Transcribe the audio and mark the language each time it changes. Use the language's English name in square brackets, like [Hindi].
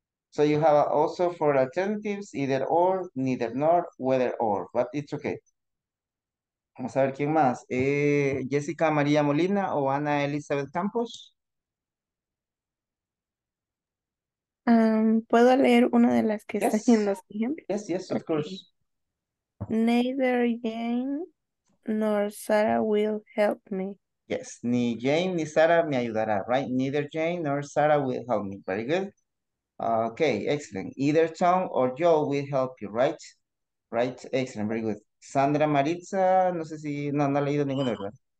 [English] So you have also four alternatives, either or, neither nor, whether or, but it's okay. [Spanish] Vamos a ver quién más, Jessica María Molina o Ana Elizabeth Campos. ¿Puedo leer una de las que está en los ejemplos? [English] Yes, of course. Neither Jane nor Sarah will help me. Yes, [Spanish] ni Jane ni Sara me ayudará, [English] right? Neither Jane nor Sara will help me. Very good. Okay, excellent. Either Tom or Joe will help you, right? Right, excellent, very good. [Spanish] Sandra Maritza, no sé si, no ha leído ninguna, ¿verdad?